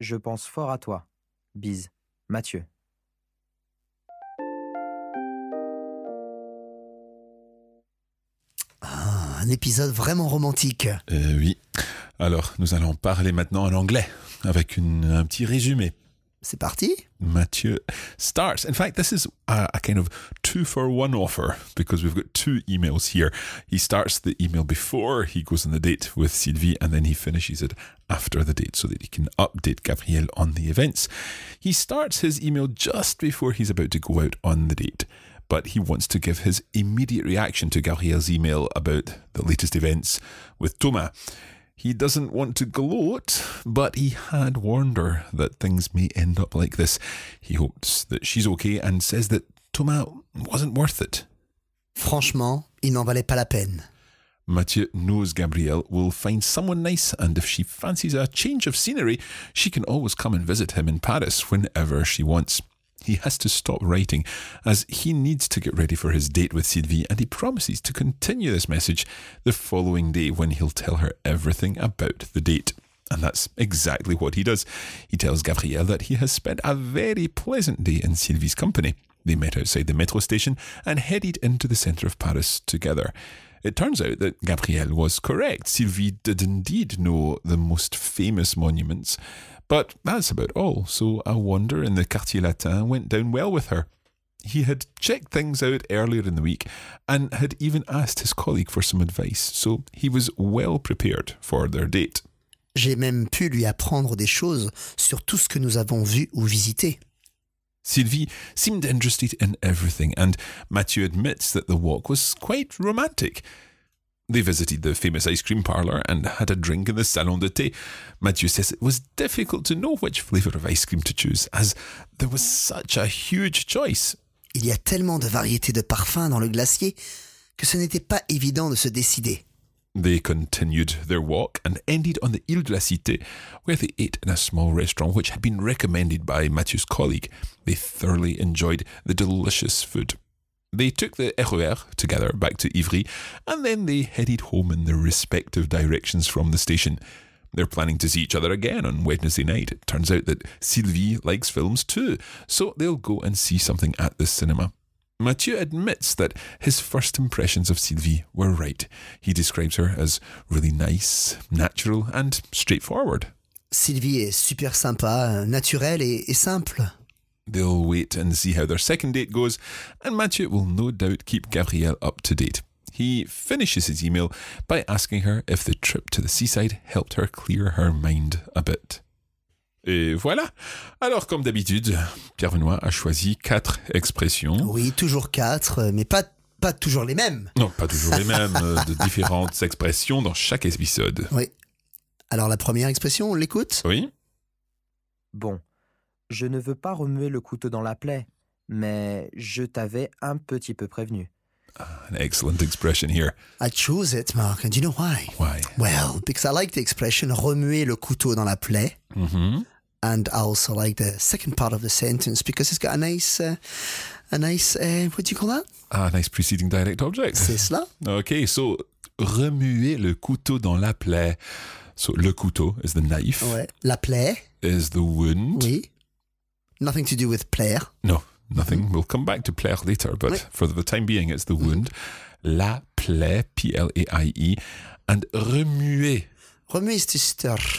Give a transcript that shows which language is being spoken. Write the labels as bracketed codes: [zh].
[fr] Je pense fort à toi. Bise, Mathieu. Un épisode vraiment romantique. Oui. Alors, nous allons parler maintenant en anglais, avec un petit résumé. C'est parti. [en] Mathieu starts. In fact, this is a kind of two-for-one offer, because we've got two emails here. He starts the email before he goes on the date with Sylvie, and then he finishes it after the date, so that he can update Gabriel on the events. He starts his email just before he's about to go out on the date, but he wants to give his immediate reaction to Gabriel's email about the latest events with Thomas. He doesn't want to gloat, but he had warned her that things may end up like this. He hopes that she's okay and says that Thomas wasn't worth it. [fr] Franchement, il n'en valait pas la peine. [en] Mathieu knows Gabriel will find someone nice, and if she fancies a change of scenery, she can always come and visit him in Paris whenever she wants. He has to stop writing, as he needs to get ready for his date with Sylvie, and he promises to continue this message the following day when he'll tell her everything about the date. And that's exactly what he does. He tells Gabrielle that he has spent a very pleasant day in Sylvie's company. They met outside the metro station and headed into the centre of Paris together. It turns out that Gabrielle was correct. Sylvie did indeed know the most famous monuments, but that's about all, so a wander in the Quartier Latin went down well with her. He had checked things out earlier in the week and had even asked his colleague for some advice, so he was well prepared for their date. [fr] J'ai même pu lui apprendre des choses sur tout ce que nous avons vu ou visité. [en] Sylvie seemed interested in everything, and Mathieu admits that the walk was quite romantic. They visited the famous ice cream parlour and had a drink in the salon de thé. Mathieu says it was difficult to know which flavour of ice cream to choose, as there was such a huge choice. [fr] Il y a tellement de variétés de parfums dans le glacier que ce n'était pas évident de se décider. [en] They continued their walk and ended on the Île de la Cité, where they ate in a small restaurant which had been recommended by Mathieu's colleague. They thoroughly enjoyed the delicious food. They took the RER together back to Ivry, and then they headed home in their respective directions from the station. They're planning to see each other again on Wednesday night. It turns out that Sylvie likes films too, so they'll go and see something at the cinema. Mathieu admits that his first impressions of Sylvie were right. He describes her as really nice, natural, and straightforward. [fr] Sylvie est super sympa, naturelle et simple. [en] They'll wait and see how their second date goes, and Mathieu will no doubt keep Gabrielle up to date. He finishes his email by asking her if the trip to the seaside helped her clear her mind a bit. [fr] Et voilà. Alors, comme d'habitude, Pierre Benoît a choisi quatre expressions. Oui, toujours quatre, mais pas toujours les mêmes. Non, pas toujours les mêmes, de différentes expressions dans chaque épisode. Oui. Alors, la première expression, on l'écoute ? Oui. Bon. Je ne veux pas remuer le couteau dans la plaie, mais je t'avais un petit peu prévenu. [en] An excellent expression here. I choose it, Mark, and do you know why? Why? Well, because I like the expression [fr] remuer le couteau dans la plaie. [en] Mm-hmm. And I also like the second part of the sentence because it's got a nice, what do you call that? A nice preceding direct object. [fr] C'est cela. [en] Okay, so [fr] remuer le couteau dans la plaie. [en] So le couteau is the knife. [fr] Ouais. La plaie. [en] Is the wound. [fr] Oui. [en] Nothing to do with plaire. No, nothing. Mm-hmm. We'll come back to plaire later, but oui. For the time being, it's the wound. [fr] Mm-hmm. La plaie, P-L-A-I-E, and remuer. [en] Remuer is to stir.